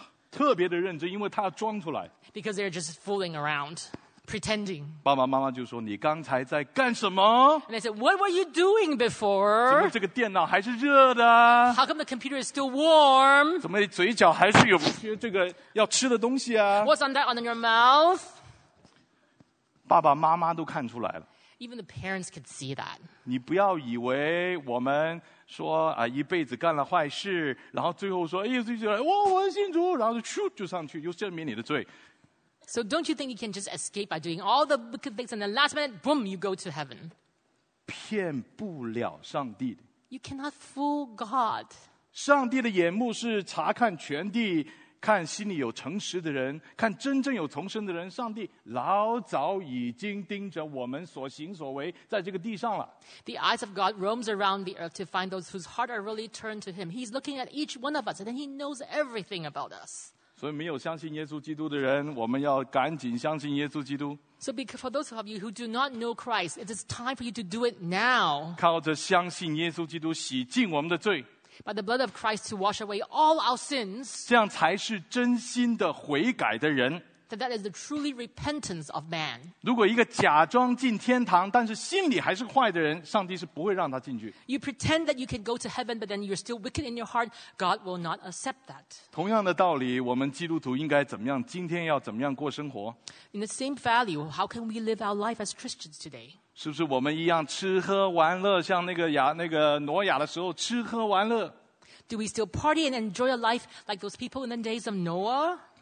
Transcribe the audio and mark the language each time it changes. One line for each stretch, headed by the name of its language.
Chinese: 特别的认真，因为他要装出来。
English: Because they're just fooling around, pretending.
Chinese: 爸爸妈妈就说，你刚才在干什么?
English: And they said, what were you doing before?
Chinese: 怎么这个电脑还是热的?
English: How come the computer is still warm?
Chinese: 怎么嘴角还是有这个要吃的东西啊?
English: What's on that on your mouth?
Chinese: 爸爸妈妈都看出来了。
English: Even the parents could see that.
Chinese: 你不要以为我们 说一辈子干了坏事, 然后最后说,哎,我信主, 然后就上去, 又证明你的罪。
English: So don't you think you can just escape by doing all the wicked things and the last minute, boom, you go to heaven?
Chinese: 骗不了上帝。
English: You cannot fool God.
Chinese: 上帝的眼目是查看全地, 看心里有诚实的人, 看真正有重生的人, 上帝老早已经盯着我们所行所为, 在这个地上了。
English: The eyes of God roams around the earth to find those whose heart are really turned to Him. He's looking at each one of us, and then He knows everything about us.
Chinese: 所以没有相信耶稣基督的人, 我们要赶紧相信耶稣基督。
English: So for those of you who do not know Christ, it is time for you to do it now.
Chinese: 靠着相信耶稣基督洗净我们的罪。
English: By the blood of Christ to wash away all our sins.
Chinese: 这样才是真心的悔改的人。
English: That is the truly repentance of man.
Chinese: 如果一个假装进天堂, 但是心里还是坏的人, 上帝是不会让他进去。
English: You pretend that you can go to heaven, but then you're still wicked in your heart. God will not accept that.
Chinese: 同样的道理, 我们基督徒应该怎么样, 今天要怎么样过生活?
English: In the same value, how can we live our life as Christians today?
Chinese: 是不是我们一样吃喝玩乐, 像那个挪亚的时候吃喝玩乐?
English: Do we still party and enjoy a life like those people in the days of Noah?